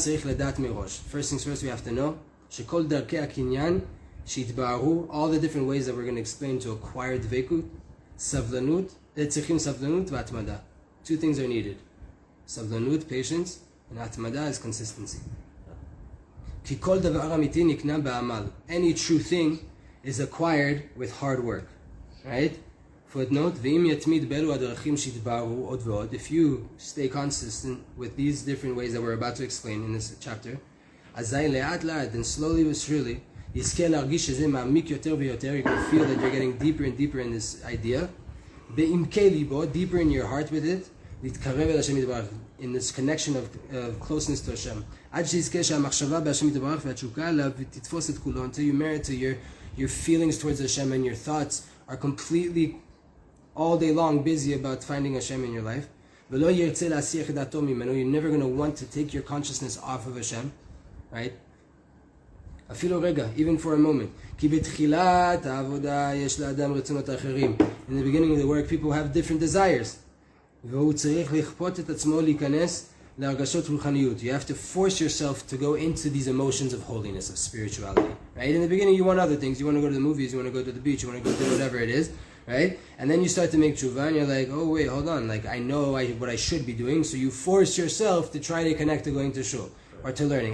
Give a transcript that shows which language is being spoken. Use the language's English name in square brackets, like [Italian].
[English] First things first, we have to know [Hebrew] שכול דרכי הקניין שיתבארו, [English] all the different ways that we're going to explain to acquire [Hebrew] דבקות, סבלנות, צריכים סבלנות והתמדה. [English] Two things are needed. סבלנות, patience, and התמדה is consistency. [Hebrew] כי כל דבר אמיתי נקנה בעמל. [English] Any true thing is acquired with hard work. Right? Footnote, [Hebrew] ואם יתמיד בלו הדרכים שיתבארו עוד ועוד, [English] if you stay consistent with these different ways that we're about to explain in this chapter, [Hebrew] אזי לאט לאט, [English] and slowly but surely, יזכה להרגיש שזה מעמיק יותר ויותר, you can feel that you're getting deeper and deeper in this idea, [Hebrew] בעמקי ליבו, [English] deeper in your heart with it, [Hebrew] להתקרב אל השם יתברך, [English] in this connection of closeness to Hashem, [Hebrew] עד שיזכה שהמחשבה בהשם יתברך והתשוקה עליו תתפוס את כולו, [English] until you merit to your feelings towards Hashem and your thoughts are completely all day long busy about finding Hashem in your life, [Hebrew] ולא ירצה להסיח את דעתו ממנו, [English] you're never going to want to take your consciousness off of Hashem, right? [Hebrew] אפילו רגע, [English] even for a moment. [Hebrew] כי בתחילת העבודה יש לאדם רצונות אחרים. [English] In the beginning of the work, people have different desires. [Hebrew] והוא צריך לכפות את עצמו להיכנס להרגשות רוחניות. [English] You have to force yourself to go into these emotions of holiness, of spirituality. Right? In the beginning, you want other things. You want to go to the movies, you want to go to the beach, you want to go do whatever it is. Right? And then you start to make tshuva and you're like, oh wait, hold on. Like, I know what I should be doing. So you force yourself to try to connect to going to shul. Or to learning.